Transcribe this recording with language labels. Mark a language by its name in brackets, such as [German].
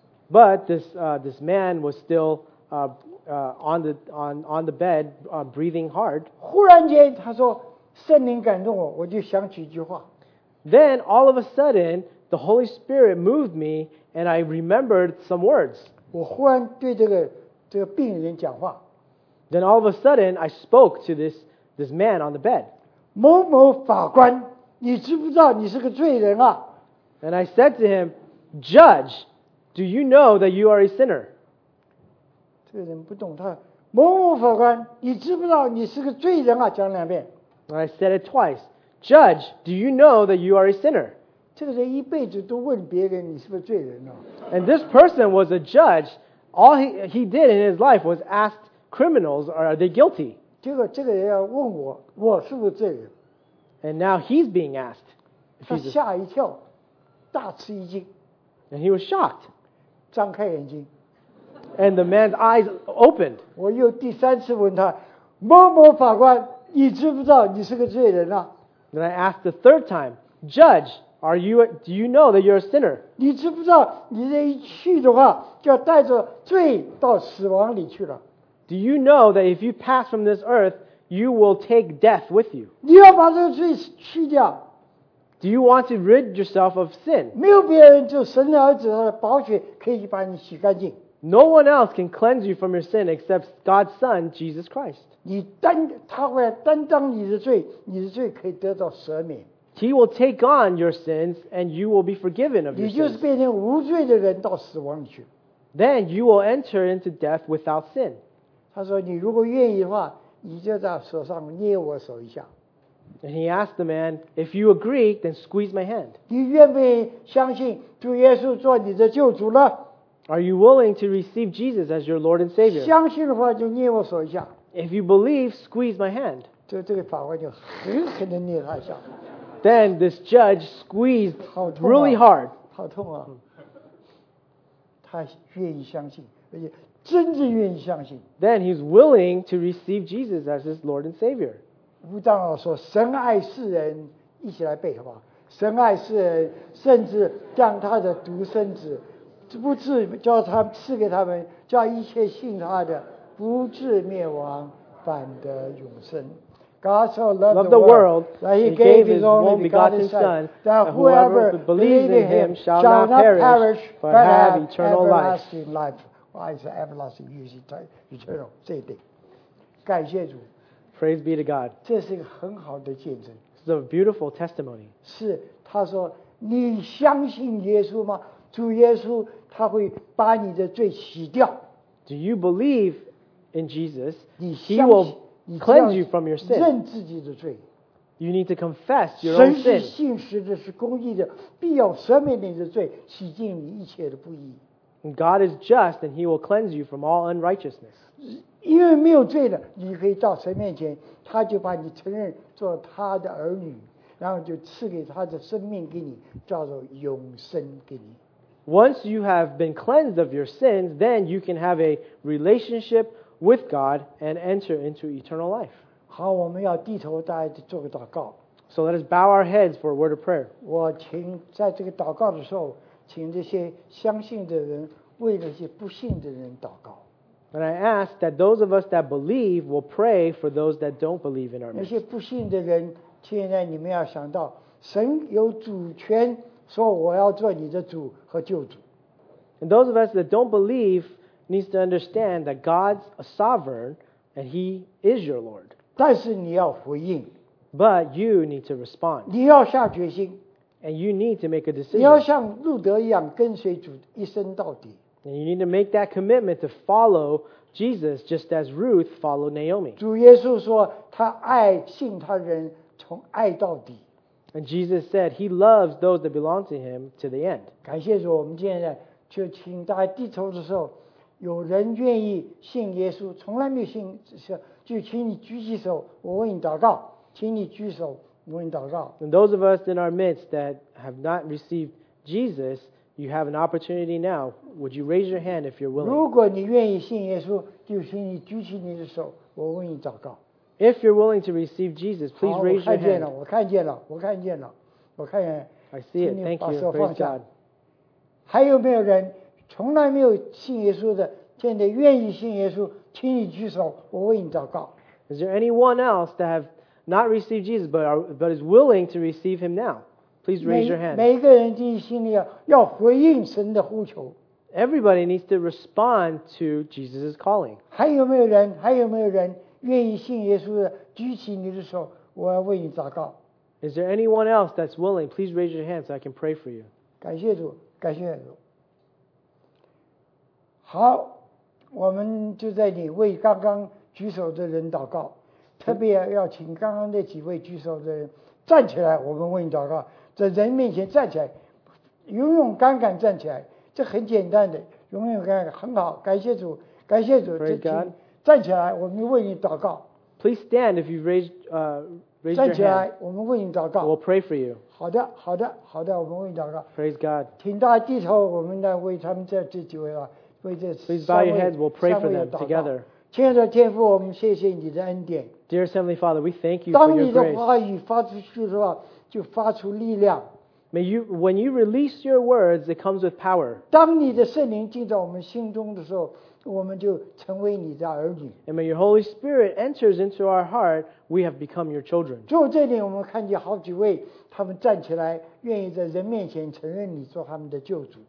[English] But this man was still on the bed, breathing hard. [Chinese] 忽然间，他说，圣灵感动我，我就想起一句话。 [English] Then all of a sudden, the Holy Spirit moved me, and I remembered some words. [Chinese] 我忽然对这个病人讲话。 [English] Then all of a sudden, I spoke to this man on the bed. [Chinese] 某某法官，你知不知道你是个罪人啊？ [English] And I said to him, Judge, do you know that you are a sinner? [Chinese] 这个人不懂他，某某法官，你知不知道你是个罪人啊？讲两遍。 [English] I said it twice. Judge, do you know that you are a sinner? [Chinese] 这个人一辈子都问别人你是不是罪人啊。 [English] And this person was a judge. All he did in his life was ask criminals, are they guilty? [Chinese] 这个人要问我，我是不是罪人。 [English] And now he's being asked. [Chinese] 他吓一跳，大吃一惊。 [English] And he was shocked. [Chinese] 张开眼睛。 [English] And the man's eyes opened. [Chinese] 我又第三次问他，某某法官，你知不知道你是个罪人啊？ [English] Then I asked the third time, Judge, do you know that you're a sinner? [Chinese] 你知不知道你这一去的话，就要带着罪到死亡里去了？ [English] Do you know that if you pass from this earth, you will take death with you? [Chinese] 你要把这个罪去掉。 [English] Do you want to rid yourself of sin? [Chinese] 没有别人，就神的儿子他的宝血可以把你洗干净。 [English] No one else can cleanse you from your sin except God's Son, Jesus Christ. [Chinese] 他会担当你的罪，你的罪可以得到赦免。 [English] He will take on your sins and you will be forgiven of your sins. [Chinese] 你就是变成无罪的人到死亡去。 [English] Then you will enter into death without sin. [Chinese] 他说你如果愿意的话，你就在手上捏我手一下。 [English] And he asked the man, if you agree, then squeeze my hand. [Chinese] 你愿不愿意相信主耶稣做你的救主呢？ [English] Are you willing to receive Jesus as your Lord and Savior? [Chinese] 相信的话就捏我手一下。 [English] If you believe, squeeze my hand. [Chinese] 这个法官就狠狠地捏了一下。 [English] Then this judge squeezed really hard. [Chinese] 好痛啊。他愿意相信，而且真正愿意相信。 [English] Then he's willing to receive Jesus as his Lord and Savior. [Chinese] 吴长老说，神爱世人，一起来背好不好？神爱世人，甚至将他的独生子，不至叫他赐给他们，叫一切信他的不至灭亡，反得永生。 [English] God so loved the world that he gave his only begotten Son, that whoever believes in him shall not perish, but have eternal life. Why is everlasting? Eternal. [Chinese] 这一点。感谢主。 [English] Praise be to God. [Chinese] 这是一个很好的见证。 [English] It's a beautiful testimony. [Chinese] 是，他说，你相信耶稣吗？主耶稣他会把你的罪洗掉。 [English] Do you believe in Jesus? [Chinese] 你相信。 [English] Cleanse you from your sin. [Chinese] 认自己的罪。 [English] You need to confess your own sin. [Chinese] 神是信实的，是公义的，必要赦免你的罪，洗净你一切的不义。 [English] God is just, and He will cleanse you from all unrighteousness. [Chinese] 因为没有罪的，你可以到神面前，他就把你承认做他的儿女，然后就赐给他的生命给你，叫做永生给你。 [English] Once you have been cleansed of your sins, then you can have a relationship with God and enter into eternal life. [Chinese] 好，我们要低头，大家做个祷告。 [English] So let us bow our heads for a word of prayer. [Chinese] 我请在这个祷告的时候，请这些相信的人为那些不信的人祷告。 [English] And I ask that those of us that believe will pray for those that don't believe in our midst. [Chinese] 那些不信的人，现在你们要想到，神有主权，说我要做你的主和救主。 [English] And those of us that don't believe. Needs to understand that God's a sovereign and He is your Lord. [Chinese] 但是你要回应。 [English] But you need to respond. [Chinese] 你要下决心。 [English] And you need to make a decision. [Chinese] 你要像路德一样跟随主一生到底。 [English] And you need to make that commitment to follow Jesus just as Ruth followed Naomi. [Chinese] 主耶稣说他爱信他人从爱到底。 [English] And Jesus said He loves those that belong to Him to the end. [Chinese] 感谢主，我们今天就请大家低头的时候有人愿意信耶稣，从来没有信，就请你举起手，我为你祷告，请你举手，我为你祷告。 [English] And those of us in our midst that have not received Jesus, you have an opportunity now. Would you raise your hand if you're willing? [Chinese] 如果你愿意信耶稣，就请你举起你的手，我为你祷告。 [English] If you're willing to receive Jesus, please raise your hand. [Chinese] 我看见了，我看见了，我看见了，我看见了。 [English] I see it. Thank you. Praise God. [Chinese] 还有没有人？从来没有信耶稣的，现在愿意信耶稣，请你举手，我为你祷告。 [English] Is there anyone else that have not received Jesus but is willing to receive Him now? Please raise your hand. [Chinese] 每个人自己心里要回应神的呼求。 [English] Everybody needs to respond to Jesus' calling. [Chinese] 还有没有人？还有没有人愿意信耶稣的？举起你的手，我要为你祷告。 [English] Is there anyone else that's willing? Please raise your hand so I can pray for you. [Chinese] 感谢主，感谢主。好，我们就在你为刚刚举手的人祷告，特别要请刚刚那几位举手的人站起来，我们为你祷告，在人面前站起来，勇勇敢敢站起来，这很简单的，勇勇敢敢，很好，感谢主，感谢主，请站起来，我们为你祷告。 [English] Please stand if you raise your hand. [Chinese] 站起来，我们为你祷告。 [English] We'll pray for you. [Chinese] 好的，好的，好的，我们为你祷告。 [English] Praise God. [Chinese] 请大家低头，我们来为他们这几位啊。 [English] Please bow your heads. We'll pray for them together. [Chinese] 亲爱的天父，我们谢谢你的恩典。 [English] Dear Heavenly Father, we thank you for your grace. [Chinese] 当你的话语发出去的话，就发出力量。 [English] May you, when you release your words, it comes with power. [Chinese] 当你的圣灵进到我们心中的时候，我们就成为你的儿女。 [English] And when your Holy Spirit enters into our heart, we have become your children. [Chinese] 就这里，我们看见好几位，他们站起来，愿意在人面前承认你做他们的救主。